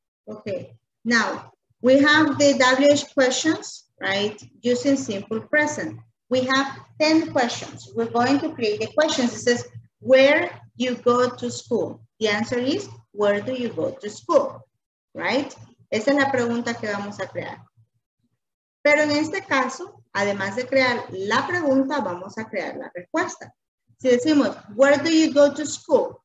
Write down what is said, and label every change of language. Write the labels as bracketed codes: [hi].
[en] Okay, now we have the WH questions, right? Using simple present. We have 10 questions. We're going to create the questions. It says, where you go to school? The answer is, where do you go to school? Right? [es] Esa es la pregunta que vamos a crear. Pero en este caso, además de crear la pregunta, vamos a crear la respuesta. Si decimos, [en] where do you go to school?